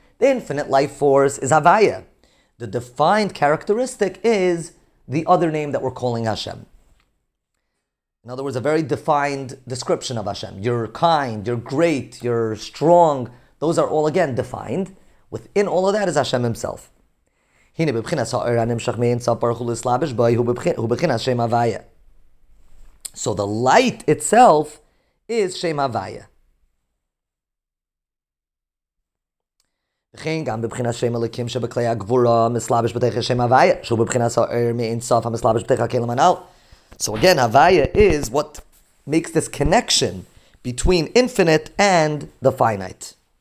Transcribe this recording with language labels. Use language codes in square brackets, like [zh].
[en] The infinite life force is Havaya. The defined characteristic is the other name that we're calling Hashem. In other words, a very defined description of Hashem. You're kind, you're great, you're strong. Those are all, again, defined. Within all of that is Hashem Himself. [he] הנה בבחינת האור הנמשך מאינסוף ברוך הוא להתלבש בו, הוא בבחינת שם הוויה. [en] So the light itself is שם הוויה. [he] וכן גם בבחינת שם אלוקים שבכלי הגבורה מתלבש בתוך שם הוויה, שהוא בבחינת האור מאינסוף המתלבש בתוך הכלים הנ"ל. [en] So again, הוויה is what makes this connection between infinite and the finite.